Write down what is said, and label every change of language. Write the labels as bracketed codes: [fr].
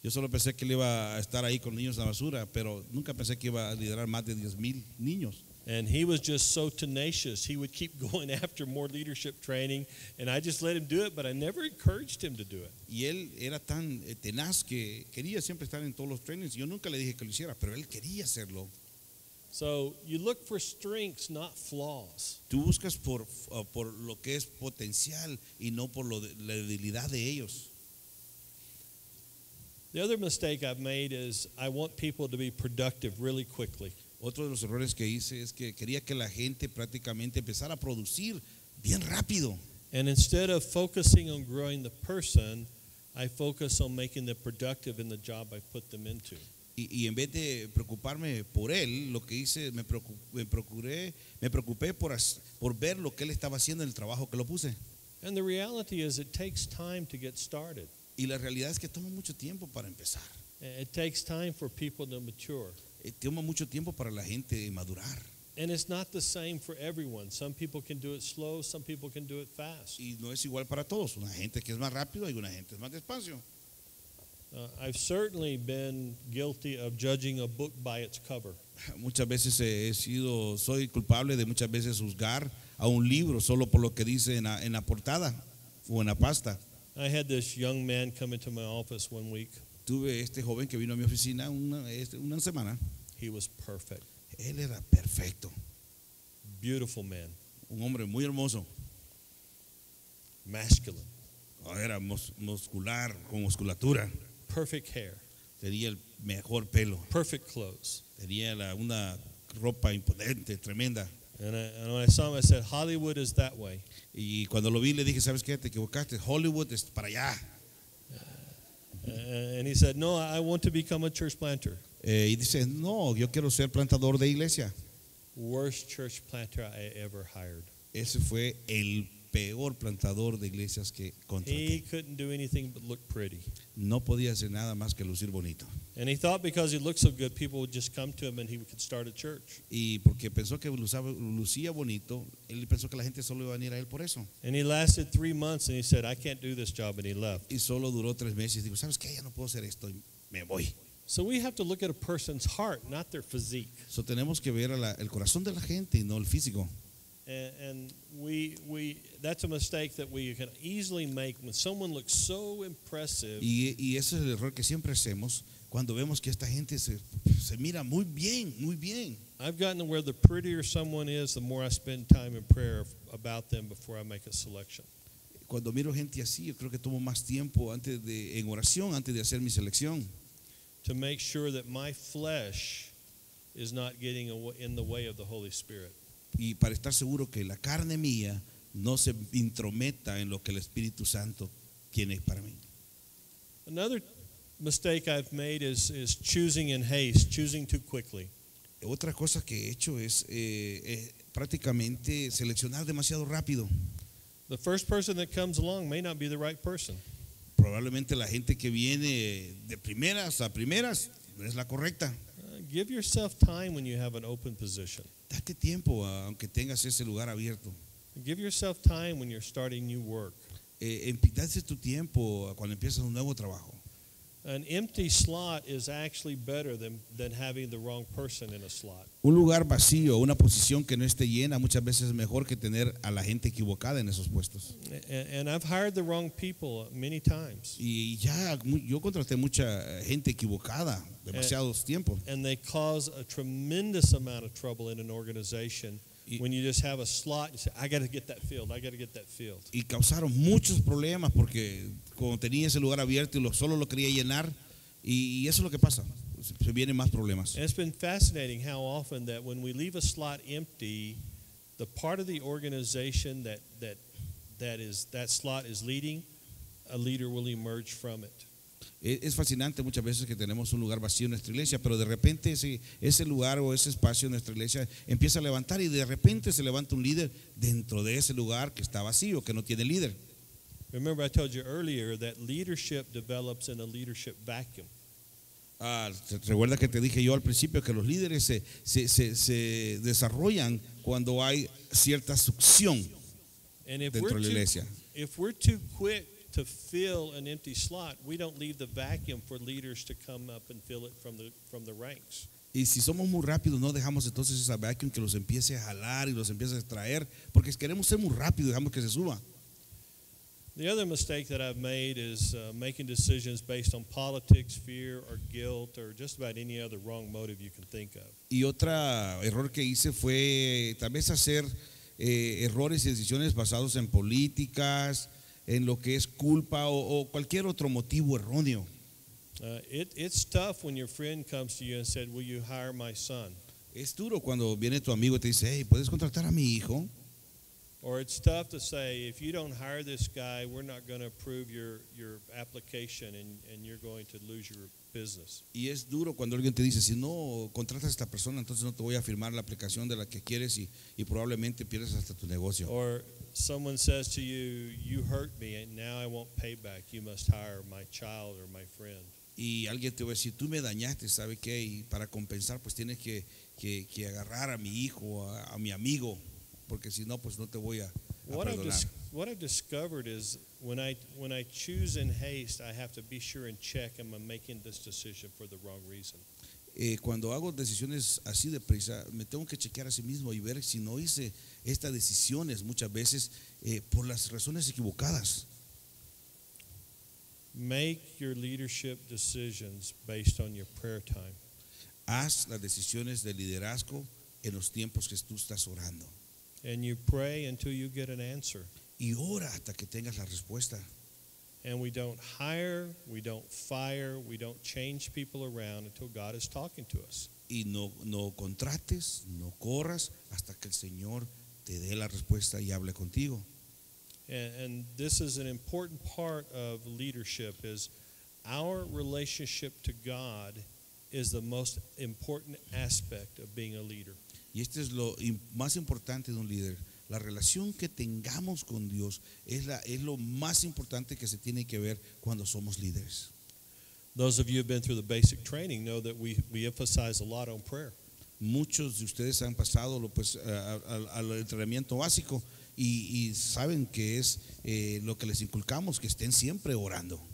[es] Yo solo pensé que él iba a estar ahí con niños en la basura, pero nunca pensé que iba a liderar más de 10,000 niños. [en] And he was just so tenacious. He would keep going after more leadership training, and I just let him do it, but I never encouraged him to do it. [es] Y él era tan tenaz que quería siempre estar en todos los trainings. Yo nunca le dije que lo hiciera, pero él quería hacerlo. [en] So you look for strengths, not flaws. [es] Tú buscas por lo que es potencial y no por la debilidad de ellos. [en] The other mistake I've made is I want people to be productive really quickly. [es] Otro de los errores que hice es que quería que la gente prácticamente empezara a producir bien rápido. [en] And instead of focusing on growing the person, I focus on making them productive in the job I put them into. [es] Y en vez de preocuparme por él, lo que hice, me preocupé por ver lo que él estaba haciendo en el trabajo que lo puse. [en] And the reality is it takes time to get started. [es] Y la realidad es que toma mucho tiempo para empezar. [en] It takes time for people to mature. [es] Toma mucho tiempo para la gente madurar. [en] And it's not the same for everyone. Some people can do it slow, some people can do it fast. [es] Y no es igual para todos. Una gente que es más rápido y una gente más despacio. [en] I've certainly been guilty of judging a book by its cover. [es] Muchas veces soy culpable de muchas veces juzgar a un libro solo por lo que dice en la portada o en la pasta. [en] I had this young man come into my office 1 week. [es] Tuve este joven que vino a mi oficina una semana. [en] He was perfect. [es] Él era perfecto. [en] Beautiful man. [es] Un hombre muy hermoso. [en] Masculine. [es] Era muscular, con musculatura. [en] Perfect hair. [es] Tenía el mejor pelo. [en] Perfect clothes. [es] Tenía una ropa imponente, tremenda. [en] And when I saw him, I said, Hollywood is that way. [es] Y cuando lo vi, le dije, ¿sabes qué? Te equivocaste. Hollywood es para allá. [en] And he said, no, I want to become a church planter. [es] Y dice, no, yo quiero ser plantador de iglesia. [en] Worst church planter I ever hired. [es] Ese fue el peor plantador de iglesias que contraté. [en] He couldn't do anything but look pretty. [es] No podía hacer nada más que lucir bonito. [en] And he thought because he looked so good, people would just come to him and he could start a church. [es] Y porque pensó que lucía bonito, él pensó que la gente solo iba a venir a él por eso. [en] And he lasted 3 months and he said, I can't do this job, and he left. [es] Y solo duró 3 meses. Digo, ¿sabes qué? Ya no puedo hacer esto. Y me voy. [en] So we have to look at a person's heart, not their physique. [es] So tenemos que ver el corazón de la gente y no el físico. [en] And we that's a mistake that we can easily make when someone looks so impressive. [es] Y ese es el error que siempre hacemos cuando vemos que esta gente se mira muy bien, muy bien. [en] I've gotten to where the prettier someone is, the more I spend time in prayer about them before I make a selection. [es] Cuando miro gente así, yo creo que tomo más tiempo en oración antes de hacer mi selección. [en] To make sure that my flesh is not getting in the way of the Holy Spirit. [es] Y para estar seguro que la carne mía no se intrometa en lo que el Espíritu Santo tiene para mí. [en] Another mistake I've made is choosing in haste, choosing too quickly. [es] Otra cosa que he hecho es prácticamente seleccionar demasiado rápido. [en] The first person that comes along may not be the right person. [es] Probablemente la gente que viene de primeras no es la correcta. [en] Give yourself time when you have an open position. [es] Date tiempo aunque tengas ese lugar abierto. [en] Give yourself time when you're starting new work. [es] Date tu tiempo cuando empiezas un nuevo trabajo. [en] An empty slot is actually better than having the wrong person in a slot. [es] Un lugar vacío, una posición que no esté llena, muchas veces es mejor que tener a la gente equivocada en esos puestos. [en] And I've hired the wrong people many times. [es] Y ya, yo contraté mucha gente equivocada, demasiados tiempos. [en] And they cause a tremendous amount of trouble in an organization. When you just have a slot, you say, I got to get that field. [es] Y causaron muchos problemas porque cuando tenía ese lugar abierto y solo lo quería llenar, y eso es lo que pasa. Se vienen más problemas. [en] And it's been fascinating how often that when we leave a slot empty, the part of the organization that slot is leading, a leader will emerge from it. [es] Es fascinante muchas veces que tenemos un lugar vacío en nuestra iglesia, pero de repente ese lugar o ese espacio en nuestra iglesia empieza a levantar y de repente se levanta un líder dentro de ese lugar que está vacío, que no tiene líder. [en] Remember I told you earlier that leadership develops in a leadership vacuum. [es] Recuerda que te dije yo al principio que los líderes se desarrollan cuando hay cierta succión dentro de la iglesia. [en] If we're too quick to fill an empty slot, we don't leave the vacuum for leaders to come up and fill it from the ranks. [es] Y si somos muy rápidos, no dejamos entonces ese vacuum que los empiece a jalar y los empiece a extraer, porque queremos ser muy rápidos, dejamos que se suba. [en] The other mistake that I've made is making decisions based on politics, fear, or guilt, or just about any other wrong motive you can think of. [es] Y otra error que hice fue tal vez hacer errores y decisiones basados en políticas, en lo que es culpa o cualquier otro motivo erróneo. [en] It's tough when your friend comes to you and said, "Will you hire my son?" [es] Es duro cuando viene tu amigo y te dice, "Hey, ¿puedes contratar a mi hijo?" [en] Or it's tough to say, if you don't hire this guy, we're not going to approve your application and you're going to lose your business. [es] Y es duro cuando alguien te dice, si no contratas a esta persona, entonces no te voy a firmar la aplicación de la que quieres y probablemente pierdes hasta tu negocio. [en] Or someone says to you, you hurt me and now I won't pay back. You must hire my child or my friend. [es] Y alguien te va a decir, tú me dañaste, ¿sabe qué? Y para compensar, pues tienes que agarrar a mi hijo, a mi amigo. Porque si no, pues no te voy a perdonar. [en] What I've discovered is when I choose in haste, I have to be sure and check am I making this decision for the wrong reason. [es] Cuando hago decisiones así de prisa, me tengo que chequear a sí mismo y ver si no hice estas decisiones muchas veces por las razones equivocadas. [en] Make your leadership decisions based on your prayer time. [es] Haz las decisiones de liderazgo en los tiempos que tú estás orando. [en] And you pray until you get an answer. [es] Y ora hasta que tengas la respuesta. [en] And we don't hire, we don't fire, we don't change people around until God is talking to us. [es] Y no contrates, no corras hasta que el Señor te dé la respuesta y hable contigo. [en] And this is an important part of leadership, is our relationship to God is the most important aspect of being a leader. [es] Y este es lo más importante de un líder. La relación que tengamos con Dios es lo más importante que se tiene que ver cuando somos líderes. [en] Those of you who have been through the basic training know that we emphasize a lot on prayer. [es] Muchos de ustedes han pasado al entrenamiento básico y saben que es lo que les inculcamos, que estén siempre orando.